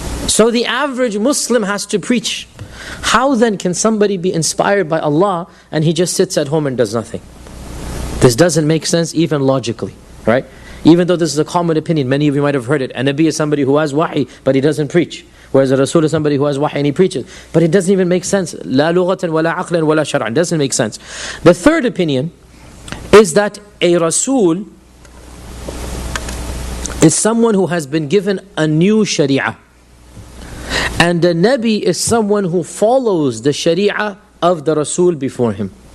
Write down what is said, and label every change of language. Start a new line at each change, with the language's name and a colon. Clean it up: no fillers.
English: So the average Muslim has to preach. How then can somebody be inspired by Allah and he just sits at home and does nothing? This doesn't make sense even logically, right? Even though this is a common opinion, many of you might have heard it. A Nabi is somebody who has wahi, but he doesn't preach. Whereas a Rasul is somebody who has wahi and he preaches. But it doesn't even make sense.
Arabic: لَا لُغَةً وَلَا عَقْلًا وَلَا شَرْعًا.
English: It doesn't make sense. The third opinion is that a Rasul is someone who has been given a new Sharia. And a Nabi is someone who follows the Sharia of the Rasul before him.